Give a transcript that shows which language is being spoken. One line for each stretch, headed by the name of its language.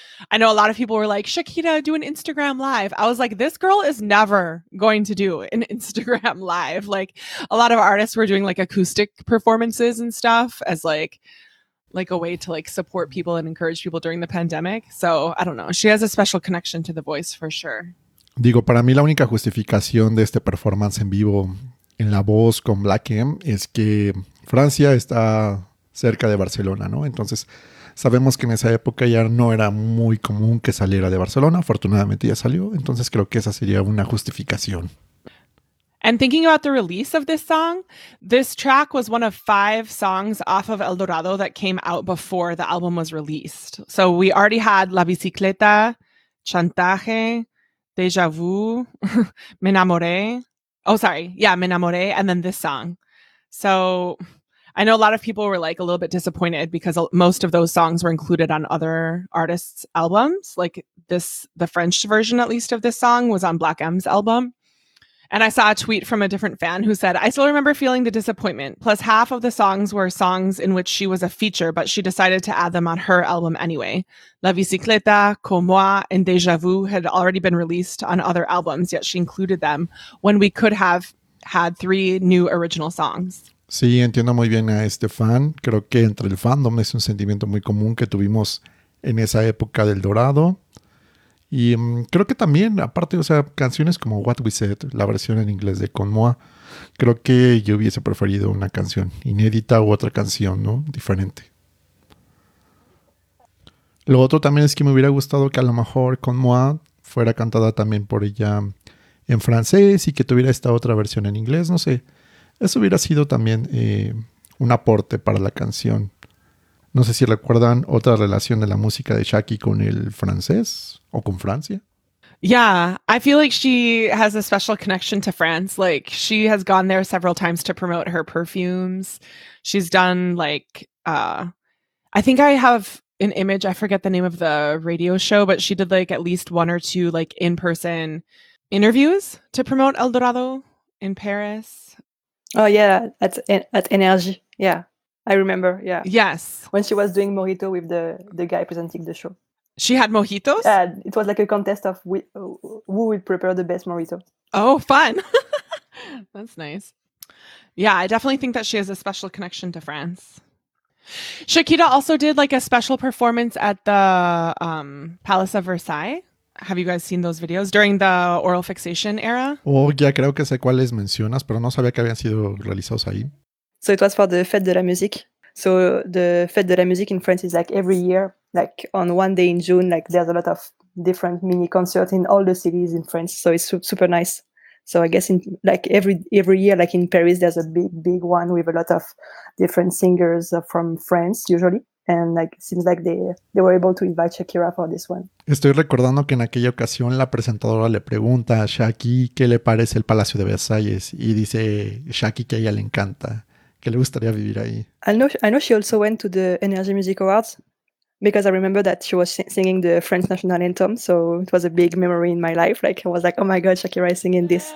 English: I know a lot of people were like, Shakira, do an Instagram live. I was like, this girl is never going to do an Instagram live. Like a lot of artists were doing like acoustic performances and stuff as like a way to like support people and encourage people during the pandemic. So I don't know. She has a special connection to The Voice for sure.
Spanish: Digo, para mí la única justificación de este performance en vivo en La Voz con Black M es que Francia está cerca de Barcelona, ¿no? Entonces sabemos que en esa época ya no era muy común que saliera de Barcelona. Afortunadamente ya salió. Entonces creo que esa sería una justificación.
English: And thinking about the release of this song, this track was one of 5 songs off of El Dorado that came out before the album was released. So we already had La Bicicleta, Chantaje, Deja Vu, Me Enamoré. Oh, sorry. Yeah, Me Enamoré, and then this song. So I know a lot of people were like a little bit disappointed because most of those songs were included on other artists' albums. Like this, the French version, at least, of this song was on Black M's album. And I saw a tweet from a different fan who said, "I still remember feeling the disappointment. Plus, half of the songs were songs in which she was a feature, but she decided to add them on her album anyway. La Bicicleta, Comme Moi, and Deja Vu had already been released on other albums, yet she included them when we could have had three new original songs."
Spanish: Sí, entiendo muy bien a este fan. Creo que entre el fandom es un sentimiento muy común que tuvimos en esa época del dorado. Y creo que también, aparte, o sea, canciones como What We Said, la versión en inglés de Con Moa, creo que yo hubiese preferido una canción inédita u otra canción, ¿no? Diferente. Lo otro también es que me hubiera gustado que a lo mejor Con Moa fuera cantada también por ella en francés y que tuviera esta otra versión en inglés, no sé. Eso hubiera sido también un aporte para la canción. No sé si recuerdan otra relación de la música de Shaki con el francés o con Francia.
English: Yeah, I feel like she has a special connection to France. Like, she has gone there several times to promote her perfumes. She's done, like, I think I have an image, I forget the name of the radio show, but she did, like, at least one or two, like, in-person interviews to promote El Dorado in Paris. Oh, yeah, at Energy, yeah. I remember, yeah. Yes. When she was doing mojito with the guy presenting the show. She had mojitos? Yeah, it was like a contest of who would prepare the best mojito. Oh, fun. That's nice. Yeah, I definitely think that she has a special connection to France. Shakira also did like a special performance at the Palace of Versailles. Have you guys seen those videos during the oral fixation era?
Spanish: Oh, ya creo que sé cuáles mencionas, pero no sabía que habían sido realizados ahí.
English: So it was for the Fête de la Musique. So the Fête de la Musique in France is like every year, like on one day in June, like there's a lot of different mini concerts in all the cities in France. So it's super nice. So I guess in like every year, like in Paris, there's a big one with a lot of different singers from France usually. And like seems like they were able to invite Shakira for this one.
Spanish: Estoy recordando que en aquella ocasión la presentadora le pregunta a Shaki qué le parece el Palacio de Versalles y dice Shaki que a ella le encanta. Que le gustaría vivir ahí.
English: I know she also went to the Energy Music Awards because I remember that she was singing the French national anthem, so it was a big memory in my life. Like I was like, oh my god, Shakira is singing this.